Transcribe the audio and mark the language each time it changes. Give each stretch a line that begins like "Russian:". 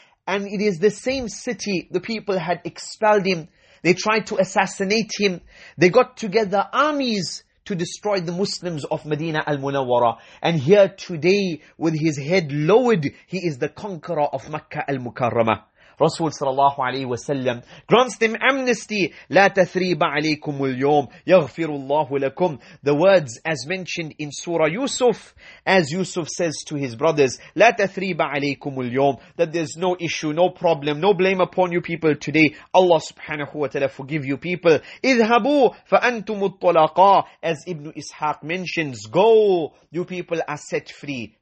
English: And it is the same city, the people had expelled him. They tried to assassinate him. They got together armies to destroy the Muslims of Medina al-Munawwara. And here today, with his head lowered, he is the conqueror of Mecca al-Mukarramah. Rasul sallallahu alayhi wasallam grants them amnesty.
Arabic: لا تثريب عليكم اليوم يغفر الله لكم.
English: The words as mentioned in Surah Yusuf, as Yusuf says to his brothers,
Arabic: لا تثريب عليكم اليوم,
English: that there's no issue, no problem, no blame upon you people today. Allah subhanahu wa ta'ala forgive you people.
Arabic: اذهبوا فأنتم الطلقاء,
English: as Ibn Ishaq mentions, go, you people are set free.